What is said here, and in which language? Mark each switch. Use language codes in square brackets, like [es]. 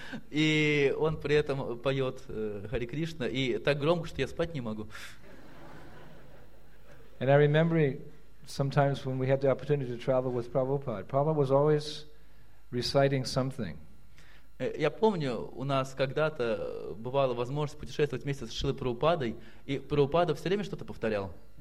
[ru] И он при этом поет Хари Кришна и так громко, что я спать не могу. [en] And I remember sometimes when we had the opportunity to travel with Prabhupada, Prabhupada was always reciting something. [ru] Я помню, у нас когда-то бывала возможность путешествовать вместе с Шрилой Прабхупадой, и Прабхупада все время что-то повторял.